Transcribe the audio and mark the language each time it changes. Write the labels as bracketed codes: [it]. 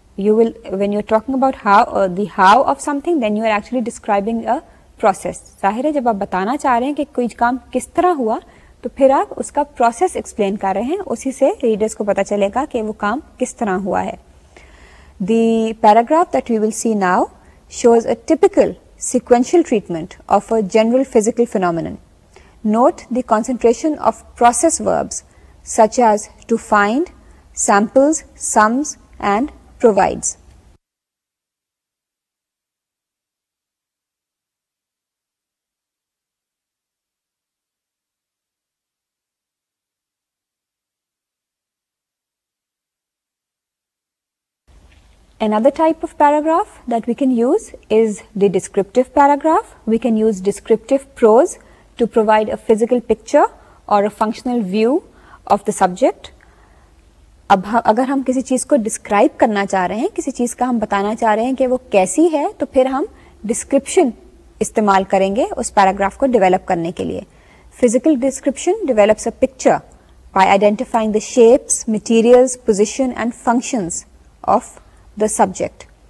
[en] You will, when you are talking about how, the how of something, then you are actually describing a process. [ur] ظاہر ہے جب آپ بتانا چاہ رہے ہیں کہ کوئی کام کس طرح ہوا تو پھر آپ اس کا پروسیس ایکسپلین کر رہے ہیں, اسی سے ریڈرس کو پتہ چلے گا کہ وہ کام کس طرح ہوا ہے. [en] The paragraph that we will see now shows a typical sequential treatment of a general physical phenomenon. Note the concentration of process verbs such as to find, samples, sums and provides. Another type of paragraph that we can use is the descriptive paragraph. We can use descriptive prose to provide a physical picture or a functional view of the subject. [ur] اب اگر ہم کسی چیز کو describe کرنا چاہ رہے ہیں, کسی چیز کا ہم بتانا چاہ رہے ہیں کہ وہ کیسی ہے, تو پھر ہم ڈسکرپشن استعمال کریں گے اس پیراگراف کو ڈیولپ کرنے کے لیے. [en] Physical description develops a picture by identifying the shapes, materials, position and functions of the subject.